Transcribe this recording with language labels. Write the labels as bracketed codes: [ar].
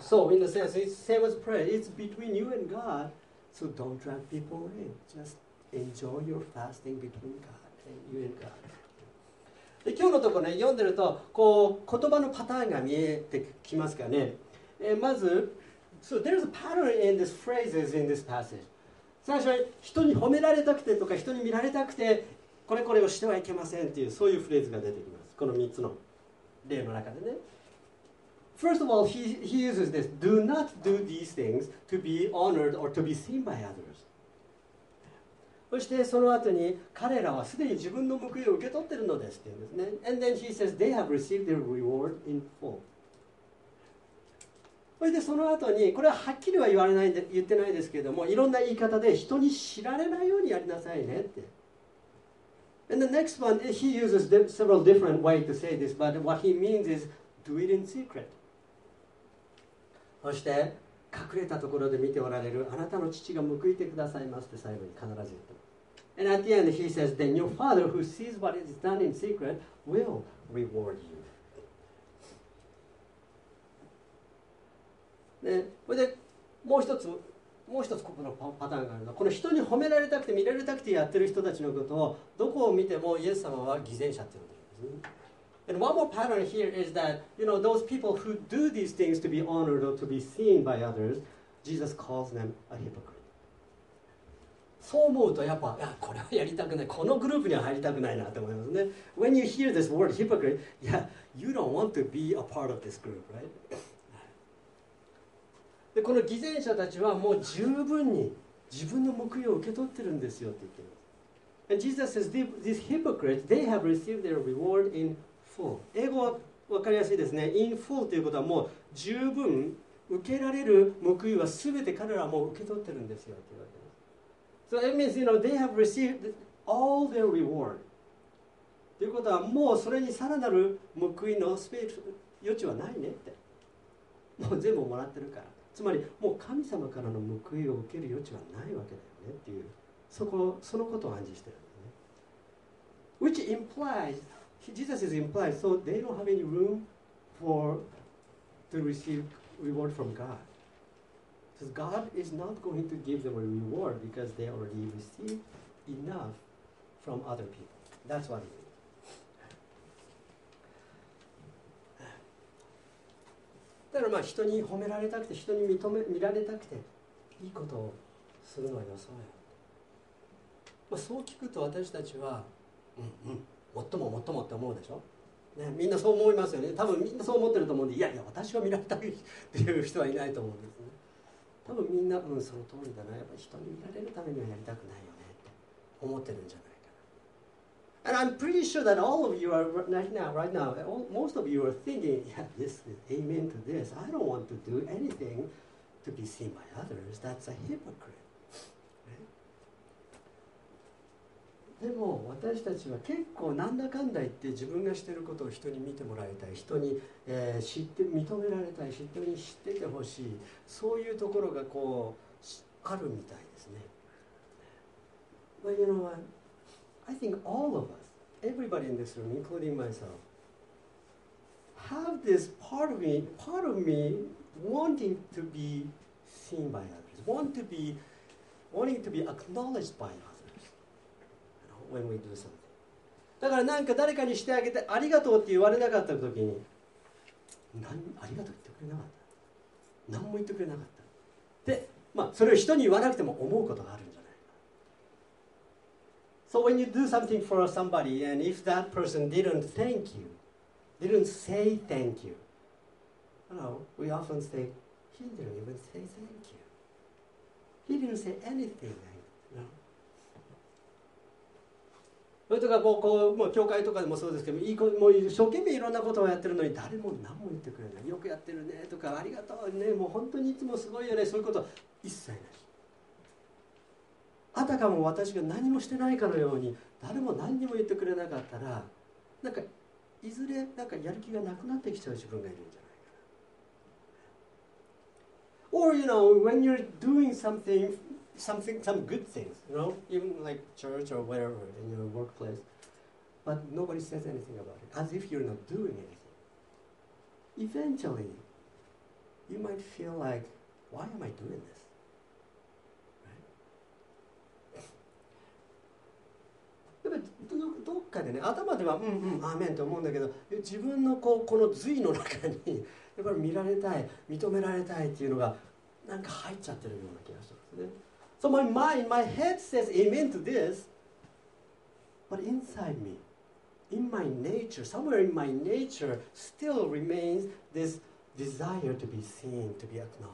[en] So in the sense it's same as prayer, it's between you and God, so don't drag people in, just enjoy your fasting between God and you and God. [ja] で今日のところ、ね、読んでるとこう言葉のパターンが見えてきますかね。まず [en] So there's a pattern in these phrases in this passage. [ja] 最初は人に褒められたくてとか人に見られたくてこれこれをしてはいけませんっていうそういうフレーズが出てきます。この3つの例の中でね。 [en] First of all, he uses this Do not do these things to be honored or to be seen by others. [ja] そしてその後に彼らはすでに自分の報いを受け取ってるのですっていうんですね。 [en] And then he says they have received their reward in full. [ja] それでその後にこれははっきりは言われないで言ってないですけれども、いろんな言い方で人に知られないようにやりなさいねって。 [en] And the next one, he uses several different ways to say this, but what he means is do it in secret. [ja] そして隠れたところで見ておられるあなたの父が報いてくださいますって最後に必ず言って、 [en] And at the end he says then your father who sees what is done in secret will reward you. [ja] ね、これでもう一つここのパターンがあるのは、この人に褒められたくて見られたくてやってる人たちのことをどこを見てもイエス様は偽善者って呼んでるんですね。 [en] And one more pattern here is that you know those people who do these things to be honored or to be seen by others, Jesus calls them a hypocrite. [ja] そう思うとやっぱいやこれはやりたくない、このグループには入りたくないなと思いますね。 [en] When you hear this word hypocrite, yeah, you don't want to be a part of this group, right? [ja] でこの偽善者たちはもう十分に自分の報いを受け取ってるんですよって言ってます。 [en] And Jesus says, these hypocrites, they have received their reward in full. [ja] 英語は分かりやすいですね。in full ということはもう十分受けられる報いは全て彼らはもう受け取ってるんですよって言われてます。 [en] So it means, you know, they have received all their reward. [ja] ということはもうそれにさらなる報いのスペース余地はないねって。もう全部もらってるから。つまりもう神様からの報いを受ける余地はないわけだよねっていう、そのことを暗示してるんですね。 [en] Which implies Jesus is implied so they don't have any room for to receive reward from God because God is not going to give them a reward because they already received enough from other people. That's what he means. [ja] だからまあ人に褒められたくて人に見られたくていいことをするのはよそうよ、まあ、そう聞くと私たちはうんうんもっとももっともって思うでしょ、ね、みんなそう思いますよね。多分みんなそう思ってると思うんで、いやいや私は見られたいっていう人はいないと思うんですね。多分みんなうんその通りだな、やっぱ人に見られるためにはやりたくないよねって思ってるんじゃないかな。 [en] And I'm pretty sure that all of you are right now, most of you are thinking, yeah, this is amen to this. I don't want to do anything to be seen by others. That's a hypocrite. [ja] でも私たちは結構なんだかんだ言って自分がしていることを人に見てもらいたい、人に、知って認められたい、人に知っててほしい、そういうところがこうあるみたいですね。 [en] But you know what? I think all of us, everybody in this room, including myself, have this part of me wanting to be seen by others, wanting to be acknowledged by others. When we do something. [ja] だからなんか誰かにしてあげてありがとうって言われなかった時に、何ありがとう言ってくれなかった、何も言ってくれなかった。で、まあ、それを人に言わなくても思うことがあるんじゃないか。 [en] So when you do something for somebody and if that person didn't thank you, didn't say thank you, we often say, he didn't even say thank you. He didn't say anything like that. No. [ja] それとかこう教会とかでもそうですけど、もう一生懸命いろんなことをやってるのに誰も何も言ってくれない。よくやってるねとか、ありがとうね、もう本当にいつもすごいよね、そういうことは一切なし。あたかも私が何もしてないかのように誰も何にも言ってくれなかったら、なんかいずれなんかやる気がなくなってきちゃう自分がいるんじゃないかな。 [en] Or you know, when you're doing something, some good things, you know, even like church or whatever in your workplace, but nobody says anything about it, as if you're not doing anything. Eventually, you might feel like, why am I doing this? Right? [ja] どっかでね、頭ではアーメンと思うんだけど、自分のこの髄の中にやっぱり見られたい、認められたいっていうのがなんか入っちゃってるような気がしますね。 [en] So my mind, my head says amen to this, but inside me, in my nature, somewhere in my nature, still remains this desire to be seen, to be acknowledged.